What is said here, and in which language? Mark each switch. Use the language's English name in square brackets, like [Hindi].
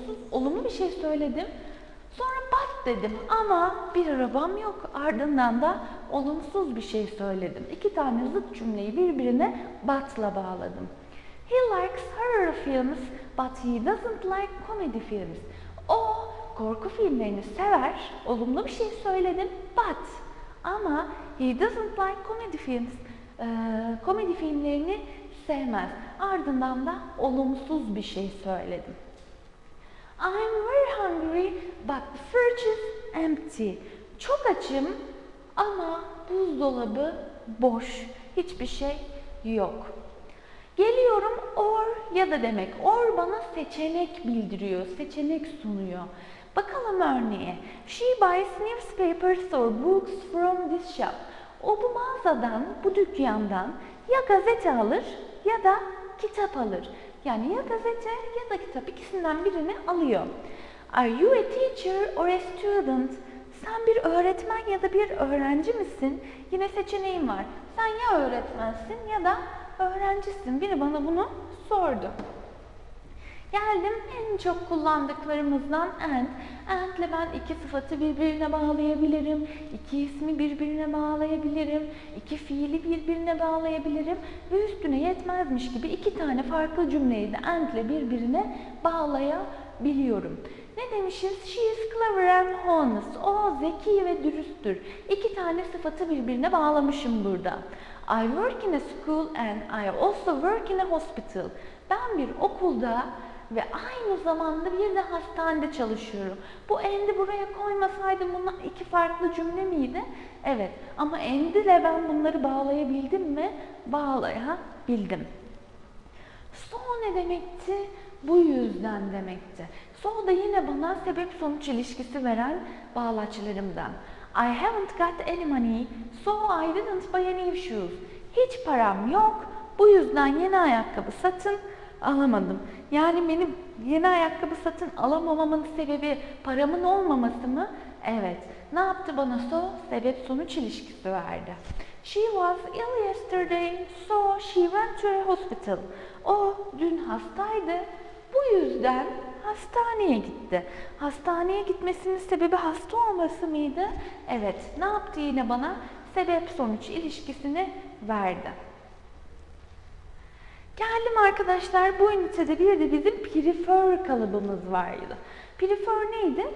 [Turkish] olumlu bir şey söyledim. Sonra bak dedim ama bir arabam yok. Ardından da olumsuz bir şey söyledim. İki tane zıt cümleyi birbirine but'la bağladım. [English] He likes horror films but he doesn't like comedy films. [Turkish] O korku filmlerini sever. Olumlu bir şey söyledim but. [English] Ama he doesn't like comedy films. [Turkish] Komedi filmlerini sevmez. Ardından da olumsuz bir şey söyledim. [English] I'm very hungry but the fridge is empty. [Turkish] Çok açım ama buzdolabı boş. Hiçbir şey yok. Geliyorum or ya da demek. Or bana seçenek bildiriyor, seçenek sunuyor. Bakalım örneğe. [English] She buys newspapers or books from this shop. [Turkish] O bu mağazadan, bu dükkandan ya gazete alır ya da kitap alır. Yani ya gazete ya da kitap, ikisinden birini alıyor. [English] Are you a teacher or a student? [Turkish] Sen bir öğretmen ya da bir öğrenci misin? Yine seçeneğim var. Sen ya öğretmensin ya da öğrencisin. Biri bana bunu sordu. Geldim en çok kullandıklarımızdan and. And ile ben iki sıfatı birbirine bağlayabilirim. İki ismi birbirine bağlayabilirim. İki fiili birbirine bağlayabilirim. Ve üstüne yetmezmiş gibi iki tane farklı cümleyi de and ile birbirine bağlayabiliyorum. Ne demişiz? [English] She is clever and honest. [Turkish] O zeki ve dürüsttür. İki tane sıfatı birbirine bağlamışım burada. [English] I work in a school and I also work in a hospital. [Turkish] Ben bir okulda ve aynı zamanda bir de hastanede çalışıyorum. Bu and'i buraya koymasaydım bunlar iki farklı cümle miydi? Evet. Ama and ile ben bunları bağlayabildim mi? Bağlayabildim. So ne demekti? Bu yüzden demekti. So da yine bana sebep-sonuç ilişkisi veren bağlaçlarımdan. [English] I haven't got any money, so I didn't buy any shoes. [Turkish] Hiç param yok, bu yüzden yeni ayakkabı satın alamadım. Yani benim yeni ayakkabı satın alamamamın sebebi paramın olmaması mı? Evet. Ne yaptı bana so? Sebep sonuç ilişkisi verdi. [English] She was ill yesterday, so she went to a hospital. [Turkish] O dün hastaydı, bu yüzden hastaneye gitti. Hastaneye gitmesinin sebebi hasta olması mıydı? Evet. Ne yaptı yine bana? Sebep sonuç ilişkisini verdi. Geldim arkadaşlar, bu ünitede bir de bizim prefer kalıbımız vardı. Prefer neydi?